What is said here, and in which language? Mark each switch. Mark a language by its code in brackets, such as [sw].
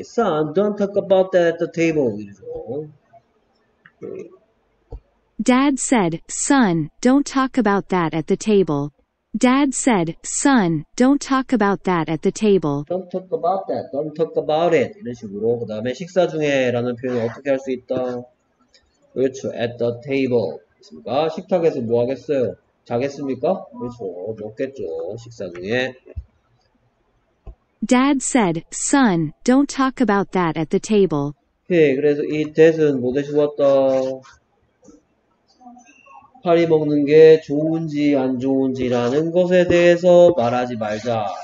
[en] Son, don't talk about that at the table. [ko] 이러죠. [en] Dad said, son, don't talk about that at the table. Dad said, son, don't talk about that at the table. Don't talk about that. Don't talk about it. [ko] 이런 식으로. 그 다음에 식사 중에 라는 표현을 어떻게 할 수 있다? 그렇죠. [en] At the table. [ko] 있습니까? 식탁에서 뭐 하겠어요? 자겠습니까? 그렇죠. 먹겠죠. 식사 중에. [en] Dad said, son, don't talk about that at the table. [ko] 오케이. 그래서 이 that은 뭐 대신 왔다? 파리 먹는 게 좋은지 안 좋은지라는 것에 대해서 말하지 말자.